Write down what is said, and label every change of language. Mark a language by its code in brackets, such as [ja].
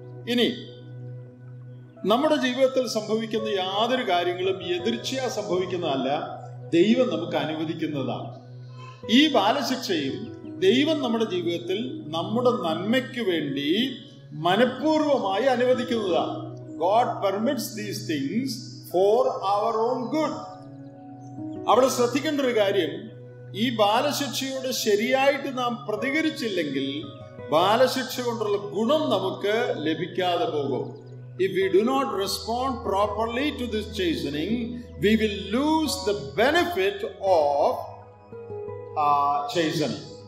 [ml] ഇനി നമ്മുടെ ജീവിതത്തിൽ സംഭവിക്കുന്ന യാതൊരു കാര്യങ്ങളും എതിർച്ചയാ സംഭവിക്കുന്നതല്ല, ദൈവം നമുക്ക് അനുവദിക്കുന്നതാണ്. ഈ ബാലശിക്ഷയും ദൈവം നമ്മുടെ ജീവിതത്തിൽ നമ്മുടെ നന്മയ്ക്ക് വേണ്ടി മനഃപൂർവമായി അനുവദിക്കുന്നതാണ്. [en] God permits these things for our own good. [ml] അവിടെ ശ്രദ്ധിക്കേണ്ട ഒരു കാര്യം, ഈ ബാലശിക്ഷയോട് ശരിയായിട്ട് നാം പ്രതികരിച്ചില്ലെങ്കിൽ ബാലശിക്ഷ കൊണ്ടുള്ള ഗുണം നമുക്ക് ലഭിക്കാതെ പോകും. [en] If we do not respond properly to this chastening, we will lose the benefit of chastening.